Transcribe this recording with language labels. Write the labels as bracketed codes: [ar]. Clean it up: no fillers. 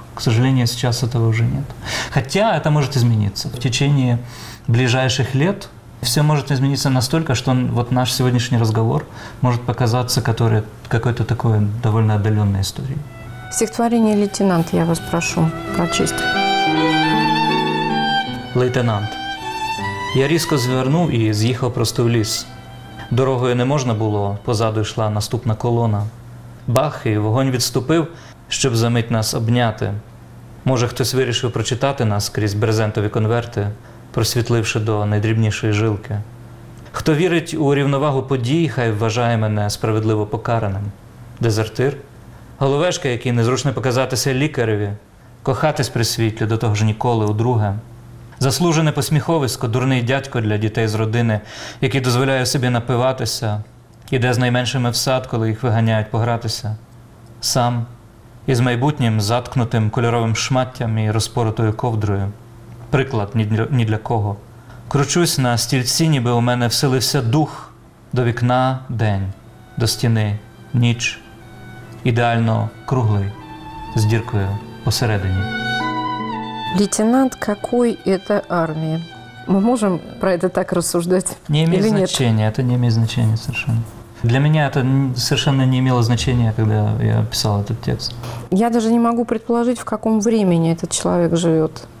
[ru] К сожалению, сейчас этого уже нет. Хотя это может измениться. В течение ближайших лет все может измениться настолько, что вот наш сегодняшний разговор может показаться какой-то такой довольно отдаленной историей. Стихотворение «Лейтенант» я вас прошу прочесть. [uk] «Лейтенант. Я різко звернув і з'їхав просто в ліс. Дорогою не можна було, позаду йшла наступна колона. Бах, і вогонь відступив, щоб за мить нас обняти. Може, хтось вирішив прочитати нас крізь брезентові конверти, просвітливши до найдрібнішої жилки. Хто вірить у рівновагу подій, хай вважає мене справедливо покараним. Дезертир? Головешка, який незручно показатися лікареві. Кохатись при світлі, до того ж ніколи, удруге. Заслужене посміховисько, дурний дядько для дітей з родини, який дозволяє собі напиватися, іде з найменшими в сад, коли їх виганяють погратися. Сам із майбутнім заткнутим кольоровим шматтям і розпоротою ковдрою. Приклад ні для кого. Кручусь на стільці, ніби у мене вселився дух. До вікна – день, до стіни – ніч. Ідеально круглий, з діркою посередині». [ru] Лейтенант какой это армии? Мы можем про это так рассуждать? Не имеет или значения, нет? Это не имеет значения совершенно. Для меня это совершенно не имело значения, когда я писал этот текст. Я даже не могу предположить, в каком времени этот человек живет.